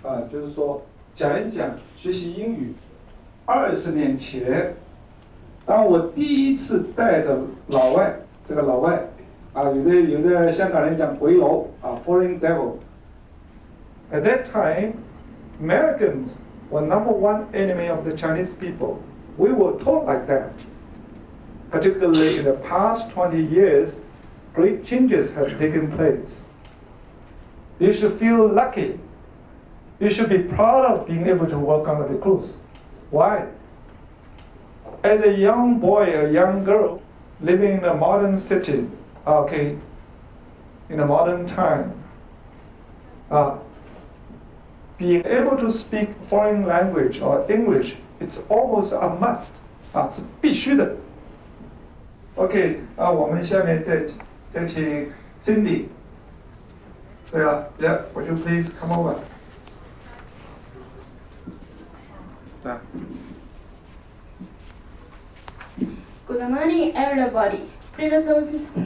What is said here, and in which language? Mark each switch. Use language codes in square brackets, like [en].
[zh] 就是说讲一讲学习英语。20年前，当我第一次带着老外，这个老外啊，有的人像港人讲鬼佬啊 ， [en] foreign devil。 At that time, Americans were number one enemy of the Chinese people. We were taught like that. Particularly in the past 20 years, great changes have taken place. You should feel lucky. You should be proud of being able to work under the Cruz. Why? As a young boy, a young girl, living in a modern city, okay, in a modern time, being able to speak foreign language or English, it's almost a must, [zh] 是必须的。 OK, 我们下面再请 Cindy. 对啊, [en] yeah, would you please come over? [zh] 对啊。 [en] Good morning, everybody.